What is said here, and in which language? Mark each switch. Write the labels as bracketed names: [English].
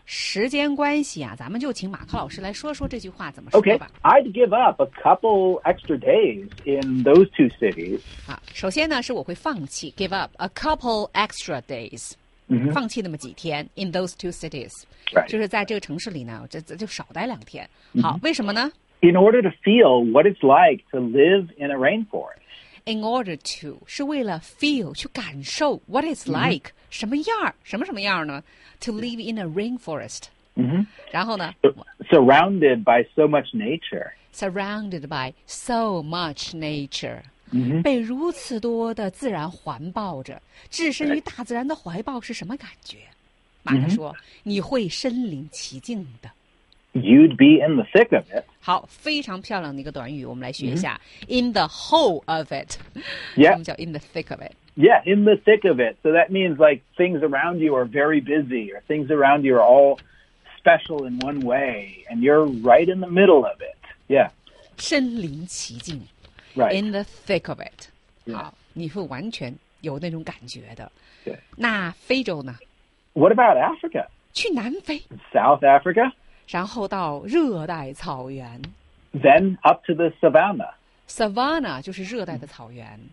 [Chinese] 时间关系啊，咱们就请马克老师来说说这句话怎么说吧。 [English] Okay, I'd give up a couple extra days in those two cities. [Chinese] 好，首先呢是我会放弃 [English] give up a couple extra days. Mm-hmm. [Chinese] 放弃那么几天 [English] in those two cities、 right. [Chinese] 就是在这个城市里呢 就少待两天好、 [English] mm-hmm. [Chinese] 为什么呢 [English] in order to feel what it's like to live in a rainforest in order to [Chinese] 是为了 [English] feel [Chinese] 去感受 [English] what it's like、 mm-hmm. [Chinese] 什么样什么什么样呢 [English] to live in a rainforest、 mm-hmm. [Chinese] 然后呢 [English] surrounded by so much nature surrounded by so much nature Mm-hmm. [Chinese] 被如此多的自然环抱着，置身于大自然的怀抱是什么感觉？马特说， [English] mm-hmm. [Chinese] 你会身临其境的。 [English] You'd be in the thick of it. [Chinese] 好，非常漂亮的一个短语，我们来学一下。 [English] Mm-hmm. In the whole of it. Yeah. [Chinese] 什么叫 [English] in the thick of it? Yeah, in the thick of it. So that means like things around you are very busy or things around you are all special in one way. And you're right in the middle of it. Yeah. [Chinese] 身临其境。 [English] Right. In the thick of it. Yeah. [Chinese] 好，你会完全有那种感觉的。对。那非洲呢？ [English] What about Africa? [Chinese] 去南非。 [English] South Africa? [Chinese] 然后到热带草原 [English] ，then up to the savanna. [Chinese] Savanna 就是热带的草原。